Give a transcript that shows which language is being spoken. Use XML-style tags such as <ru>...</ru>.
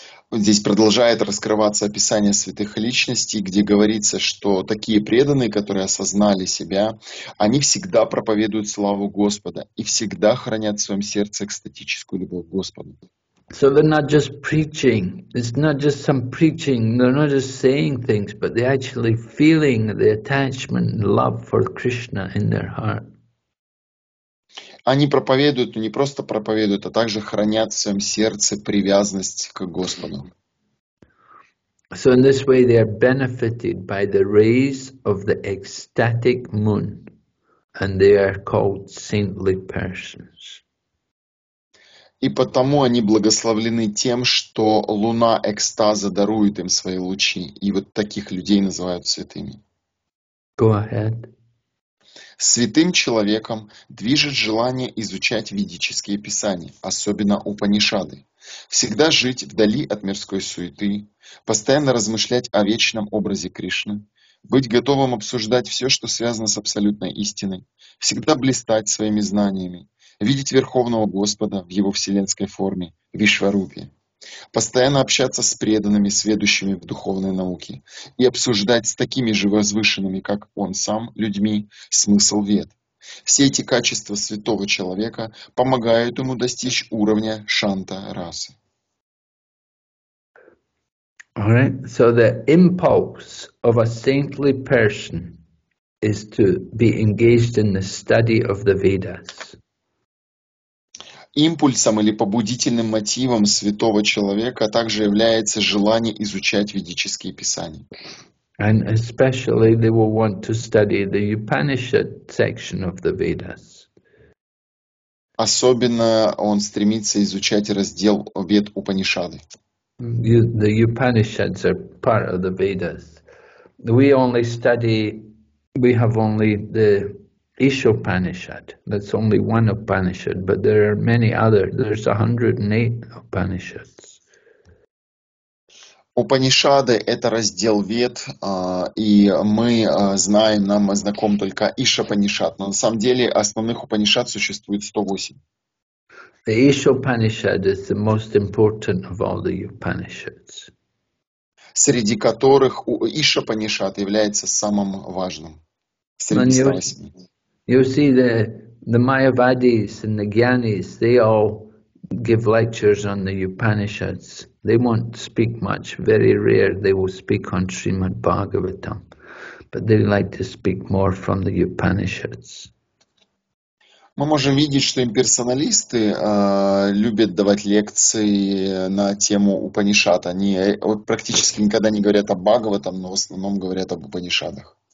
<ru>Здесь продолжает раскрываться описание святых личностей, где говорится, что такие преданные, которые осознали себя, они всегда проповедуют славу Господа и всегда хранят в своем сердце экстатическую любовь к Господу.</ru> <en>So they're not just preaching, it's not just some preaching, they're not just saying things, but they're actually feeling the attachment and love for Krishna in their heart.</en> <ru>Они проповедуют, но не просто проповедуют, а также хранят в своем сердце привязанность к Господу.</ru> <en>So in this way they are benefited by the rays of the ecstatic moon, and they are called saintly persons.</en> <ru>И потому они благословлены тем, что луна экстаза дарует им свои лучи. И вот таких людей называют святыми.</ru> <en>Go ahead.</en> <ru>Святым человеком движет желание изучать ведические писания, особенно Упанишады. Всегда жить вдали от мирской суеты, постоянно размышлять о вечном образе Кришны, быть готовым обсуждать все, что связано с абсолютной истиной, всегда блистать своими знаниями, видеть Верховного Господа в его вселенской форме, Вишварупе, постоянно общаться с преданными, сведущими в духовной науке и обсуждать с такими же возвышенными, как он сам, людьми, смысл вед. Все эти качества святого человека помогают ему достичь уровня Шанта-расы.</ru> <en>All right. So the impulse of a saintly person is to be engaged in the study of the Vedas.</en> <ru>Импульсом или побудительным мотивом святого человека также является желание изучать ведические писания.</ru> <en>And especially they will want to study the Upanishad section of the Vedas.</en> <ru>Особенно он стремится изучать раздел Вед Упанишады.</ru> <en>The Upanishads are part of the Vedas. We have only the Ishopanishad. That's only one Upanishad, but there are many other. There's 108 Upanishads.</en> <ru>Упанишады — это раздел Вед, и мы знаем, нам знаком только Ишопанишад. Но на самом деле основных Упанишад существует 108.</ru> <en>The Ishopanishad is the most important of all the Upanishads.</en> <ru>Среди которых Ишопанишад является самым важным.</ru> <en>You see the Mayavadis and the Gyanis, they all give lectures on the Upanishads. They won't speak much, very rare they will speak on Srimad Bhagavatam. But they like to speak more from the Upanishads.</en> <ru>Мы можем видеть, что имперсоналисты любят давать лекции на тему Упанишад. Они практически никогда не говорят о Бхагаватам, но в основном говорят об Упанишадах.</ru>